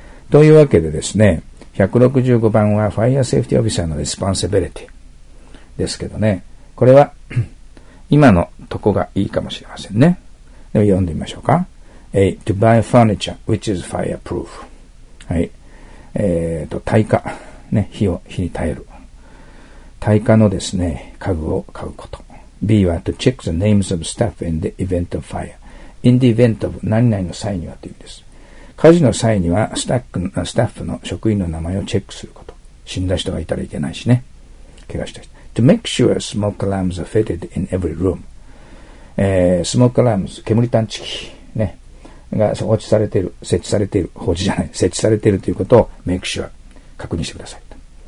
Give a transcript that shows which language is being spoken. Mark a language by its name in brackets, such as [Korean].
[Japanese] というわけでですね、165番は Fire Safety Officer の Responsibility ですけどね、これは今のとこがいいかもしれませんね。では読んでみましょうか。 [English] A. To buy furniture which is fireproof. [Japanese] はい。耐火。ね。火に耐える。耐火のですね、家具を買うこと。 [English] B. は To check the names of staff in the event of fire. [Japanese] In the event of 何々の際にはという意味です。火事の際にはスタッフの職員の名前をチェックすること。死んだ人がいたらいけないしね。怪我した人。 [English] To make sure smoke alarms are fitted in every room. [Japanese] Smoke alarms, 煙探知機、ね、が放置されている、設置されている、放置じゃない、設置されているということを make sure, 確認してください。